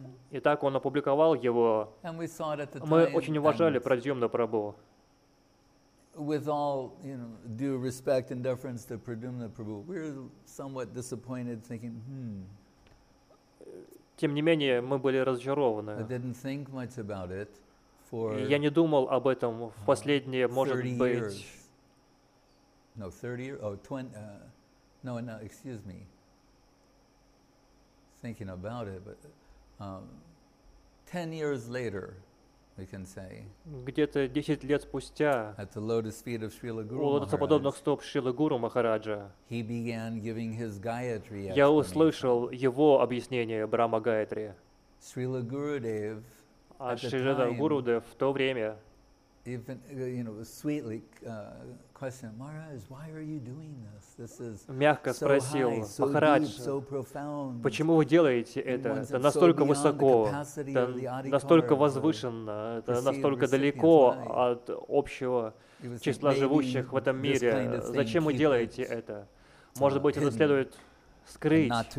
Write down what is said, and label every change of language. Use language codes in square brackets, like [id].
[ru] И так он опубликовал его. Мы очень уважали Прадьюмну Прабху. [en] With all, you know, due respect and deference to Pradyumna Prabhu, we're somewhat disappointed, thinking, [ru] Тем не менее, мы были разочарованы. [en] I didn't think much about it for [ru] Я не думал об этом в последние, может быть... [en] No, 30 years. Oh, 20... No, no, excuse me. Thinking about it, but... 10 years later, we can say. [ru] Где-то 10 лет спустя. [en] At the lotus feet of Srila Guru [ru] Maharaj. У лотосоподобных стоп Шрилы Гуру Махараджа. [en] He began giving his Gayatri. [ru] Я услышал его объяснение Брахма Гаятри. [en] Srila Gurudev. [ru] А Шрила Гурудев в то время. [en] Even, you know, sweetly questioned Maharaj, why are you doing this? This is [ru] мягко спросил Махарадж, почему вы делаете это? Это настолько высоко, это настолько возвышенно, это настолько далеко от общего числа живущих в этом мире. Зачем вы делаете это? Может быть, это следует скрыть?